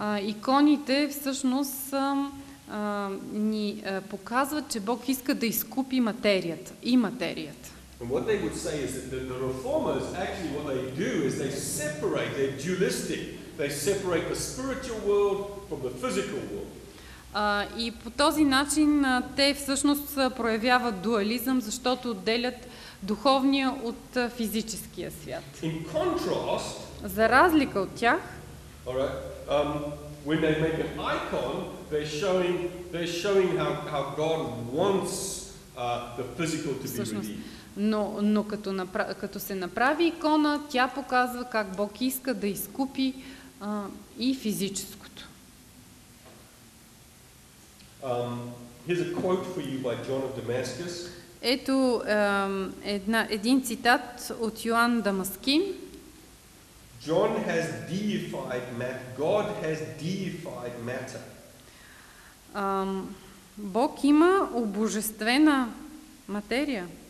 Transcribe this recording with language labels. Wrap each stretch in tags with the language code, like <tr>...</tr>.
<bg>Иконите всъщност ни показват, че Бог иска да изкупи материята и материята.</bg> <en>And what they would say is that the reformers actually what they do is they separate, they're dualistic. They separate the spiritual world from the physical world.</en> <bg>И по този начин те всъщност проявяват дуализъм, защото отделят духовния от физическия свят.</bg> <en>In contrast,</en> <bg>за разлика от тях,</bg> <en>right, when they make an icon, they're showing how God wants the physical to</en> <bg>всъщност,</bg> <en>be redeemed.</en> <bg>Но като се направи икона, тя показва как Бог иска да изкупи и физическо.</bg> <en>Here's a quote for you by John of Damascus.</en> <bg>Ето един цитат от Йоан Дамаскин.</bg> <en>John has deified matter. God has deified matter.</en> <bg>Бог има обожествена материя.</bg>